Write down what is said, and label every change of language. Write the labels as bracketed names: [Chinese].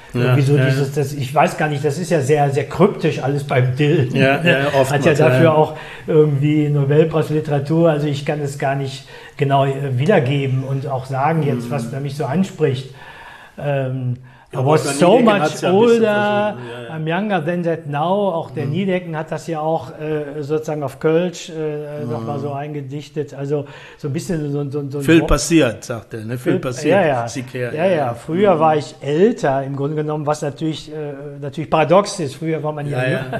[German] Ich weiß gar nicht, das ist ja sehr, sehr kryptisch alles beim Dylan. Ja, oft hat ja dafür auch irgendwie Nobelpreis Literatur. Also ich kann es gar nicht genau wiedergeben und auch sagen jetzt, was da mich so anspricht. [English] I'm younger than that now. [German] Auch der Niedecken hat das ja auch sozusagen auf Kölsch nochmal so eingedichtet. Also so ein bisschen so viel passiert, sagt er. Ne? Viel passiert. Ja. Früher war ich älter, im Grunde genommen, was natürlich paradox ist. Früher war man ja.